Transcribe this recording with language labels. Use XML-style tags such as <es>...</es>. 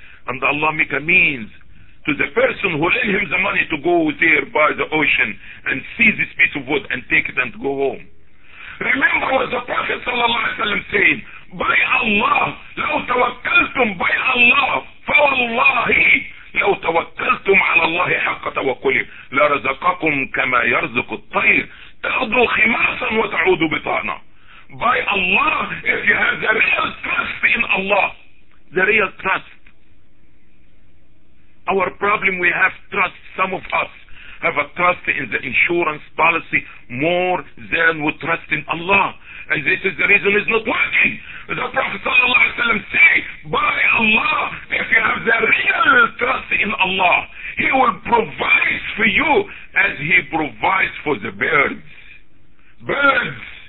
<en>And Allah make a means to the person who lent him the money to go there by the ocean and see this piece of wood and take it and go home. Remember what the Prophet sallallahu alaihi wasallam saying, by Allah,</en> <ar>لو توكلتم</ar> <en>by Allah, فوالله</en> <ar>لو توكلتم على الله حق توكله لرزقكم كما يرزق الطير تغدو خماصا وتعود بطانة.</ar> <en>By Allah, if you have the real trust in Allah, the real trust. Our problem, we have trust. Some of us have a trust in the insurance policy more than we trust in Allah. And this is the reason it's not working. The Prophet sallallahu alaihi wasallam say, by Allah, if you have the real trust in Allah, He will provide for you as He provides for the birds. Birds.</en>